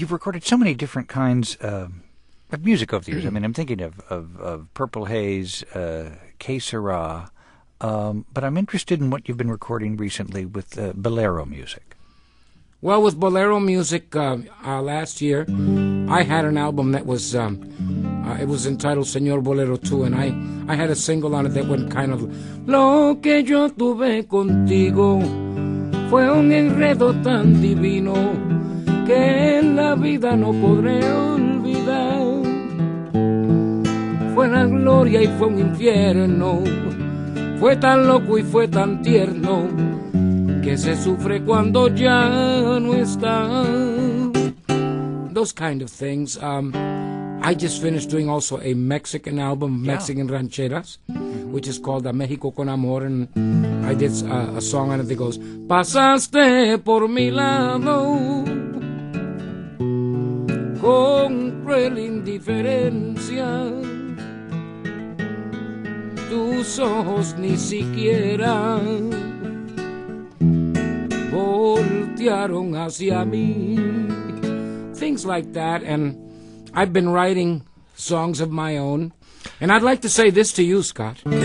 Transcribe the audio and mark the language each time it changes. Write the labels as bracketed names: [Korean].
[English] You've recorded so many different kinds of music over the years. I mean, I'm thinking of Purple Haze, Que Sera, but I'm interested in what you've been recording recently with bolero music. Well, with bolero music, last year, I had an album that was... it was entitled Señor Bolero 2, and I had a single on it that went kind of... [Spanish] Lo que yo tuve contigo fue un enredo tan divino que en la vida no podré olvidar. Fue la gloria y fue un infierno, fue tan loco y fue tan tierno que se sufre cuando ya no está. [English] Those kind of things... I just finished doing also a Mexican album, Mexican Rancheras, mm-hmm. which is called the Mexico Con Amor, and I did a song on it that goes, [Spanish] Pasaste por mi lado con cruel indiferencia. Tus ojos ni siquiera voltearon hacia mí. [English] Things like that, and I've been writing songs of my own, and I'd like to say this to you, Scott.